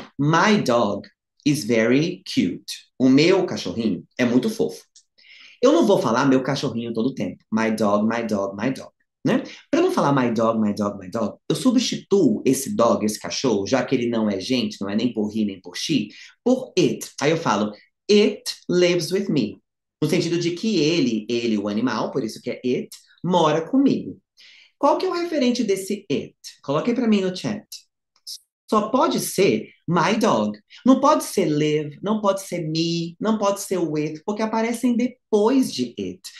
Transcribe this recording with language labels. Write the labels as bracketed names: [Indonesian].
[English] My dog is very cute. [Portuguese] O meu cachorrinho é muito fofo. Eu não vou falar meu cachorrinho todo o tempo. [English] My dog, my dog, [Portuguese] né? Para não falar [English] my dog, my dog, my dog, [Portuguese] eu substituo esse dog, esse cachorro, já que ele não é gente, não é nem por he, nem por she, por it. Aí eu falo, [English] it lives with me. [Portuguese] No sentido de que ele, o animal, por isso que é it, mora comigo. Qual que é o referente desse it? Coloque aí para mim no chat. Só pode ser [English] my dog. [Portuguese] Não pode ser live, não pode ser me, não pode ser with, porque aparecem depois de it.